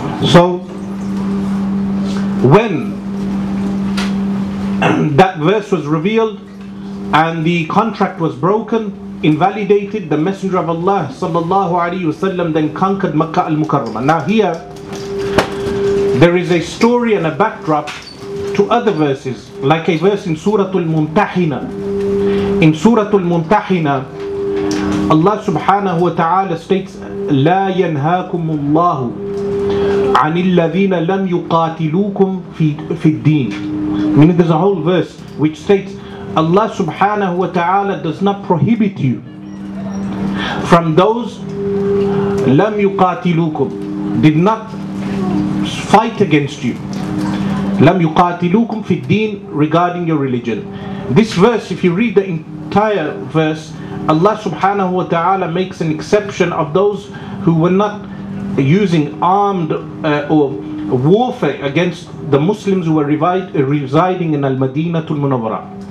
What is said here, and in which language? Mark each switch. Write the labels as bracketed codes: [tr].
[en] So when that verse was revealed and the contract was broken, invalidated, the Messenger of Allah sallallahu alaihi wasallam then conquered Makkah al-Mukarramah. Now here, there is a story and a backdrop to other verses, like a verse in Surah Al-Mumtahina, In Surah Al-Muntahina, Allah subhanahu wa ta'ala states, [ar] لَا يَنْهَاكُمُ اللَّهُ عَنِ الَّذِينَ لَمْ يُقَاتِلُوكُمْ فِي الدِّينِ. [en] Meaning there's a whole verse which states, Allah subhanahu wa ta'ala does not prohibit you from those [ar] لَمْ يُقَاتِلُوكُمْ, [en] did not fight against you. [ar] لَمْ يُقَاتِلُوكُمْ فِي الدِّينِ, [en] regarding your religion. This verse, if you read the entire verse, Allah subhanahu wa ta'ala makes an exception of those who were not using armed or warfare against the Muslims who were residing in Al-Madinatul Munawwara.